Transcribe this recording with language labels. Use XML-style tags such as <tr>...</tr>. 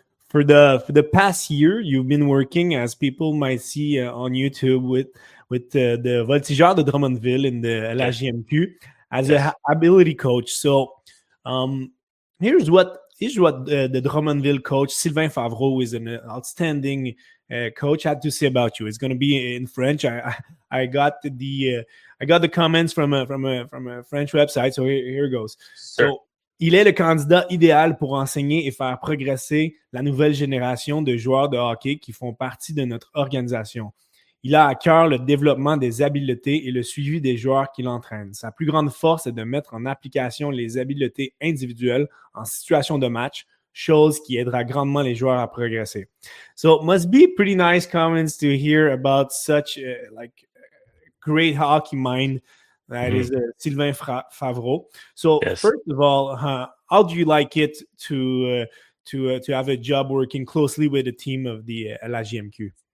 <en>For the past year, you've been working, as people might see on YouTube, with the Voltigeurs de Drummondville in the LHGMQ as an ability coach. So here's what</en> <fr>Et je vois</fr> <en>the Drummondville coach, Sylvain Favreau, is an outstanding coach. I have to say about you. It's going to be in French. I got the comments from a French website. So here it goes. Sure.</en> <fr>So, il est le candidat idéal pour enseigner et faire progresser la nouvelle génération de joueurs de hockey qui font partie de notre organisation. Il a à cœur le développement des habiletés et le suivi des joueurs qu'il entraîne. Sa plus grande force est de mettre en application les habiletés individuelles en situation de match, chose qui aidera grandement les joueurs à progresser.</fr> <en>So, it must be pretty nice comments to hear about such like great hockey mind that mm-hmm. is Sylvain Favreau. So, yes. First of all, how do you like it to have a job working closely with the team of the LHGMQ?</en>